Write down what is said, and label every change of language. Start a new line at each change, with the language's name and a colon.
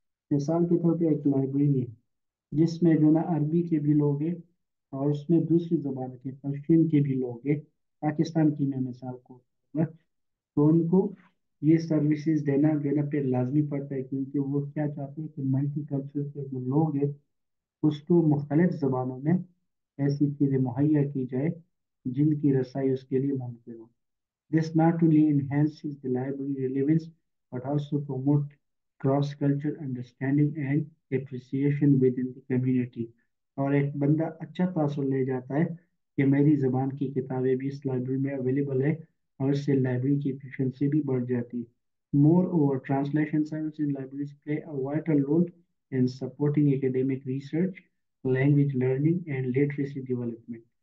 Urdu: مثال کے طور پہ ایک لائبریری ہے جس میں جو نا عربی کے بھی لوگ ہیں اور اس میں دوسری زبان کے پرشین کے بھی لوگ ہیں, پاکستان کی میں مثال کو, تو ان کو یہ سروسز دینا دینا پہ لازمی پڑتا ہے کیونکہ وہ کیا چاہتے ہیں کہ ملٹی کلچر کے جو لوگ ہیں اس کو مختلف زبانوں میں ایسی چیزیں مہیا کی جائے جن کی رسائی اس کے لیے ممکن ہو.
English: This not only enhances the library relevance but also promote cross-cultural understanding and appreciation within the community.
Urdu: اور ایک بندہ اچھا تاثر لے جاتا ہے کہ میری زبان کی کتابیں بھی اس لائبریری میں اویلیبل ہے اور اس سے لائبریری کی ایفیشنسی بھی بڑھ جاتی ہے.
English: Moreover translation service in libraries play a vital role in supporting academic research, language learning and literacy development.